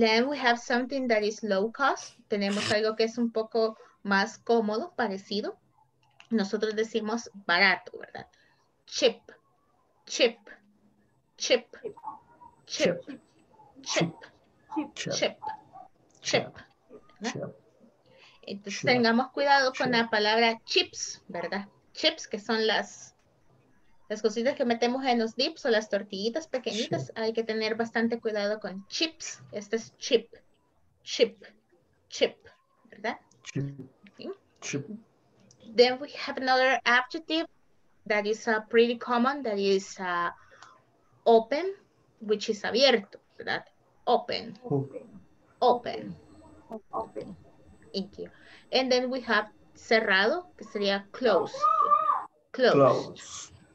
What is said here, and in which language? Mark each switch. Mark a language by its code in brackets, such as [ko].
[en] Then we have something that is low cost. [es] Tenemos algo que es un poco más cómodo, parecido. Nosotros decimos barato, ¿verdad? Chip. Chip. Chip. Chip. Chip. [en] Chip. Chip. [es] Entonces, chip, tengamos cuidado con chip. La palabra chips, ¿verdad? Chips, que son las cositas que metemos en los dips o las tortillitas pequeñitas. Chip. Hay que tener bastante cuidado con chips. Este es chip. Chip. chip, ¿verdad? [en] Chip. Then we have another adjective that is pretty common, that is open, which is abierto, ¿verdad? Open. Open. Open. Thank you. And then we have [es] cerrado, que sería [en] closed. Close.